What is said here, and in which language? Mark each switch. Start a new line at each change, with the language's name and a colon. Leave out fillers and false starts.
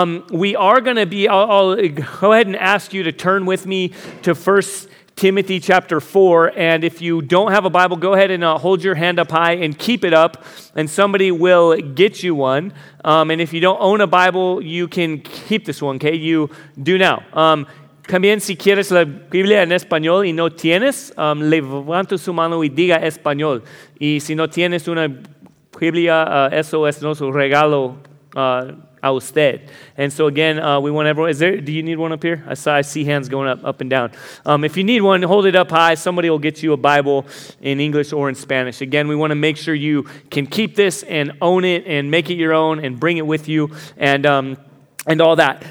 English: We are going to be, I'll go ahead and ask you to turn with me to 1 Timothy chapter 4, and if you don't have a Bible, go ahead and hold your hand up high and keep it up, and somebody will get you one. And if you don't own a Bible, you can keep this one, okay? You do now.
Spanish: También si quieres la Biblia en español y no tienes, levanta su mano y diga español. Y si no tienes una Biblia, eso es nuestro regalo a usted.
English: And so again, we want everyone, do you need one up here? I see hands going up and down. If you need one, hold it up high. Somebody will get you a Bible in English or in Spanish. Again, we want to make sure you can keep this and own it and make it your own and bring it with you and all that.